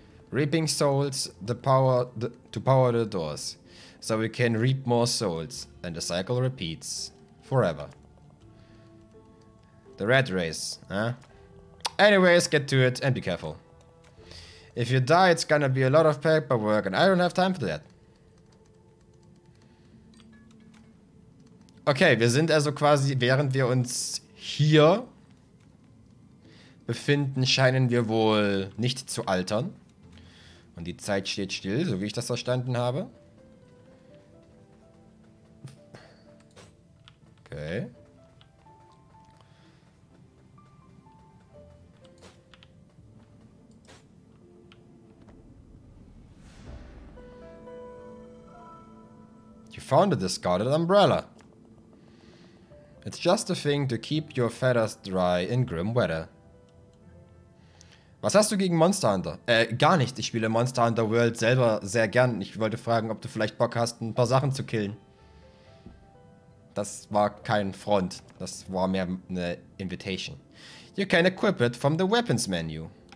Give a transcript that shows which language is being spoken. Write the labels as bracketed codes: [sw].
[en] Reaping souls, to power the doors, so we can reap more souls, and the cycle repeats forever. The rat race, huh? Anyways, get to it and be careful. If you die, it's gonna be a lot of paperwork, and I don't have time for that. [de] Okay, wir sind also quasi, während wir uns hier befinden, scheinen wir wohl nicht zu altern. Und die Zeit steht still, so wie ich das verstanden habe. Okay. [en] You found a discarded umbrella. It's just a thing to keep your feathers dry in grim weather. [de] Was hast du gegen Monster Hunter? Gar nichts. Ich spiele Monster Hunter World selber sehr gern. Ich wollte fragen, ob du vielleicht Bock hast, ein paar Sachen zu killen. Das war kein Front. Das war mehr eine Invitation. [en] You can equip it from the weapons menu.